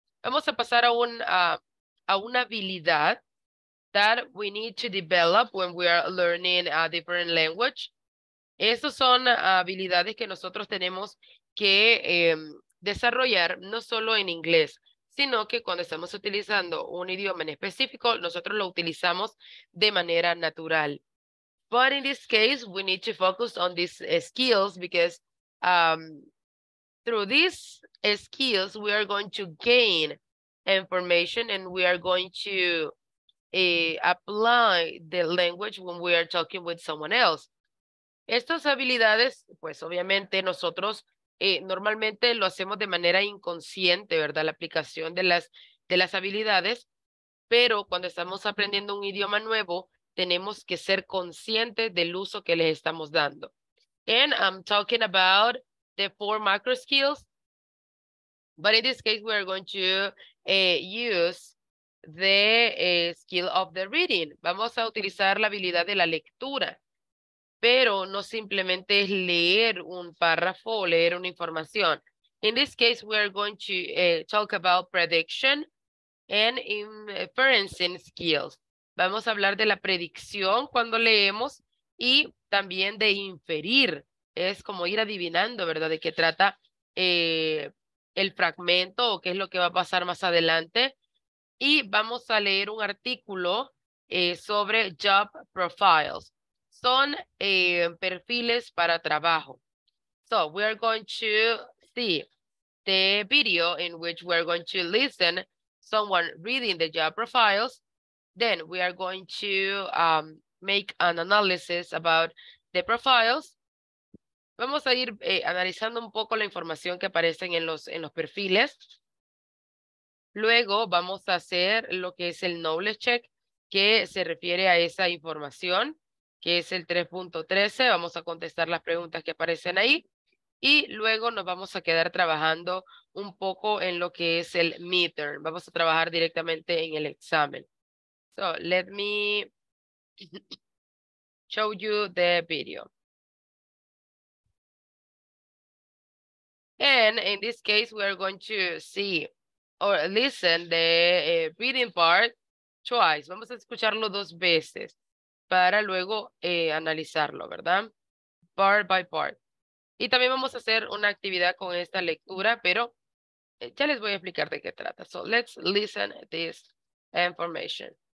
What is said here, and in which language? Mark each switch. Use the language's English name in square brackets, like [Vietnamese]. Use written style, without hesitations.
[Spanish] Vamos a pasar a una habilidad [English] that we need to develop when we are learning a different language. [Spanish] Esas son habilidades que nosotros tenemos que desarrollar no solo en inglés, sino que cuando estamos utilizando un idioma en específico, nosotros lo utilizamos de manera natural. [English] But in this case, we need to focus on these skills because through these skills, we are going to gain information and we are going to apply the language when we are talking with someone else. [Spanish] Estas habilidades, pues obviamente nosotros normalmente lo hacemos de manera inconsciente, ¿verdad? La aplicación de las habilidades, pero cuando estamos aprendiendo un idioma nuevo, tenemos que ser conscientes del uso que les estamos dando. [English] And I'm talking about the four macro skills, but in this case, we are going to use the skill of the reading. [Spanish] Vamos a utilizar la habilidad de la lectura, pero no simplemente es leer un párrafo o leer una información. [English] In this case, we are going to talk about prediction and inferencing skills. [Spanish] Vamos a hablar de la predicción cuando leemos y también de inferir. Es como ir adivinando, ¿verdad? De qué trata el fragmento o qué es lo que va a pasar más adelante. Y vamos a leer un artículo sobre job profiles. Son perfiles para trabajo. [English] So, we are going to see the video in which we are going to listen someone reading the job profiles. Then we are going to make an analysis about the profiles. [Spanish] Vamos a ir analizando un poco la información que aparecen en los perfiles. Luego vamos a hacer lo que es el knowledge check, que se refiere a esa información, que es el 3.13. Vamos a contestar las preguntas que aparecen ahí. Y luego nos vamos a quedar trabajando un poco en lo que es el midterm. Vamos a trabajar directamente en el examen. [English] So, let me show you the video. And in this case, we are going to see or listen the reading part twice. [Spanish] Vamos a escucharlo dos veces para luego analizarlo, ¿verdad? [English] Part by part. [Spanish] Y también vamos a hacer una actividad con esta lectura, pero ya les voy a explicar de qué trata. [English] So let's listen this information.